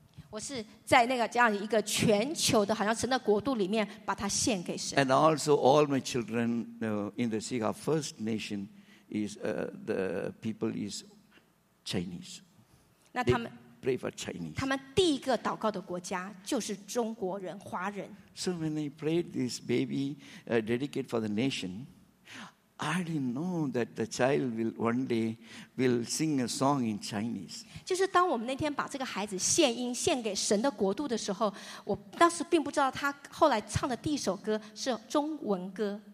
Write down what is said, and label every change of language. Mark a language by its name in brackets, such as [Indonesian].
[Chinese] 我是在那个这样一个全球的，好像神的国度里面，把它献给神。 [English] And also all my children in the Sikha First Nation. Is the people is Chinese? [Chinese] 那他们 [English] They pray for Chinese. [Chinese] 他们第一个祷告的国家就是中国人，华人。 [English] So when I prayed this baby dedicate for the nation, I didn't know that the child will one day will sing a song in Chinese. [Chinese] 就是当我们那天把这个孩子献音献给神的国度的时候，我当时并不知道他后来唱的第一首歌是中文歌。